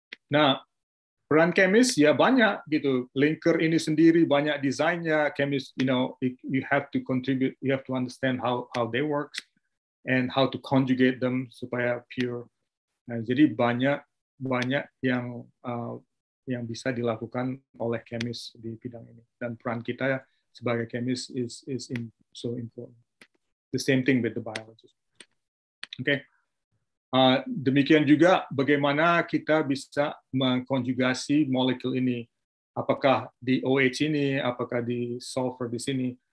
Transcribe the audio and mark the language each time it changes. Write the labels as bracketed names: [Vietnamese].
[Indonesian] Nah, peran kemis ya banyak gitu. Linker ini sendiri banyak desainnya. [English] Kemis, you know, you have to contribute. You have to understand how they work and how to conjugate them [Indonesian] supaya pure. Nah, jadi banyak yang bisa dilakukan oleh kemis di bidang ini, dan peran kita sebagai kemis [English] is so important. The same thing with the biologist. Okay. [Indonesian] Demikian juga bagaimana kita bisa mengkonjugasi molekul ini, apakah di OH ini, apakah di sulfur di sini.